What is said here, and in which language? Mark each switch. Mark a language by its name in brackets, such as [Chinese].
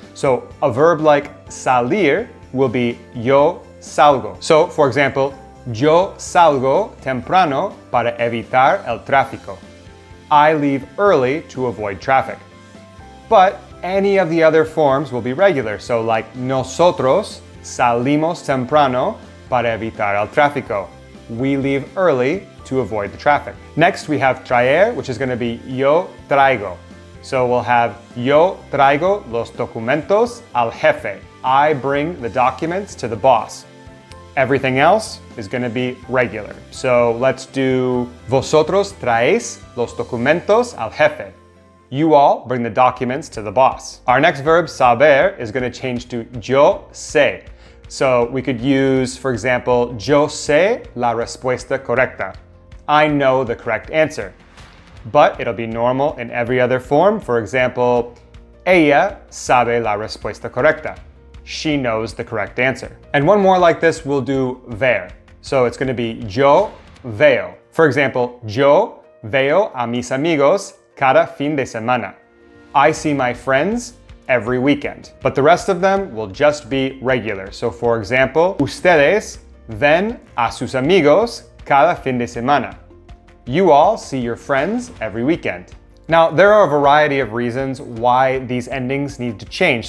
[English] So a verb like salir will be yo salgo. [Spanish] So for example, yo salgo temprano para evitar el tráfico. [English] I leave early to avoid traffic. But any of the other forms will be regular. [Spanish] So like nosotros salimos temprano para evitar el tráfico. [English] We leave early to avoid the traffic. Next we have traer, which is gonna be yo traigo. [Spanish] So we'll have yo traigo los documentos al jefe. [English] I bring the documents to the boss. Everything else is gonna be regular. [Spanish] So let's do vosotros traéis los documentos al jefe. [English] You all bring the documents to the boss. Our next verb, saber, is gonna change to yo sé. So we could use, for example, yo sé la respuesta correcta. I know the correct answer. But it'll be normal in every other form. For example, ella sabe la respuesta correcta. She knows the correct answer. And one more like this, we'll do ver. So it's gonna be yo veo. [Spanish] For example, yo veo a mis amigos cada fin de semana. [English] I see my friends every weekend. But the rest of them will just be regular. So for example, ustedes ven a sus amigos cada fin de semana. You all see your friends every weekend. Now, there are a variety of reasons why these endings need to change.